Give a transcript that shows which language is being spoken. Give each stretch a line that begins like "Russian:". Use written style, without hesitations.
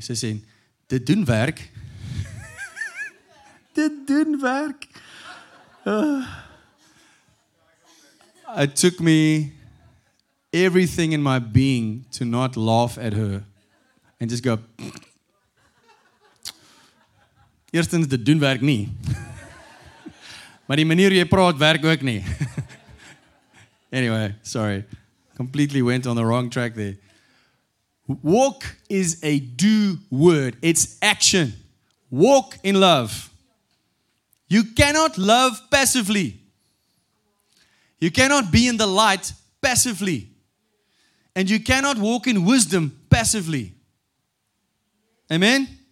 Afrikaans: Sy sê, "Dit doen werk." Dit doen werk.
English: It took me everything in my being to not laugh at her and just go.
Afrikaans: Eerstens, dit doen werk nie. Maar die manier hoe jy praat werk ook nie.
English: Anyway, sorry. Completely went on the wrong track there. Walk is a do word. It's action. Walk in love. You cannot love passively. You cannot be in the light passively. And you cannot walk in wisdom passively. Amen?